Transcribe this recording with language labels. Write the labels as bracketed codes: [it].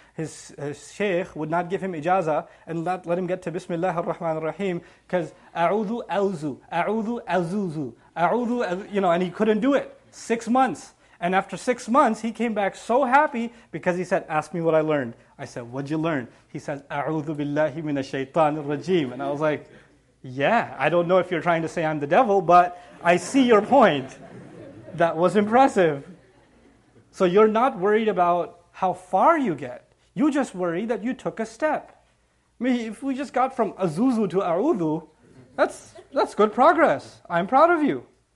[en] His sheikh would not give him ijazah and let him get to [ar] بسم الله الرحمن الرحيم [en] because [ar] أعوذ أوزو أعوذ أزوزو أعوذ, [en] you know, and he couldn't do it. 6 months. And after 6 months, he came back so happy because he said, ask me what I learned. I said, what'd you learn? [ar] He said, أعوذ بالله من الشيطان الرجيم. [en] And I was like, yeah, I don't know if you're trying to say I'm the devil, but I see your point. That was impressive. So you're not worried about how far you get. You just worry that you took a step. I mean, if we just got from Azuzu to A'udhu, that's good progress. I'm proud of you.